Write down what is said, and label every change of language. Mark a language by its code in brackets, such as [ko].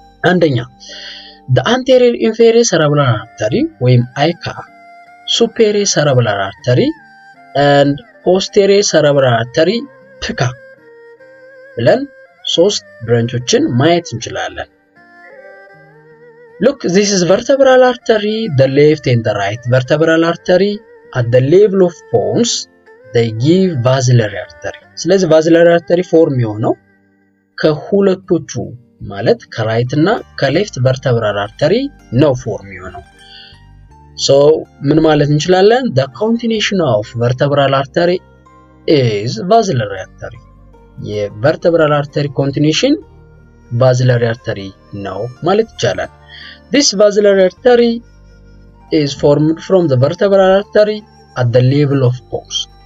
[en] አንደኛ the anterior inferior cerebellar artery ወይም ICA, superior cerebellar artery and posterior cerebellar artery PICA [am] ብለን ሶስት ብራንቾችን ማየት እንችላለን። [en] Look, this is vertebral artery, the left and the right vertebral artery at the level of pons they give basilar artery. [am] ስለዚህ basilar artery form የሆነው ከሁለቱ ማለት ከራይት እና ከሌፍት vertebral artery no form የሆነው. So ምን ማለት እንችላለን? [en] The continuation of vertebral artery is basilar artery. የvertebral artery continuation basilar artery [am] ነው ማለት ይቻላል. [en] This basilar artery is formed from the vertebral artery at the level of pons.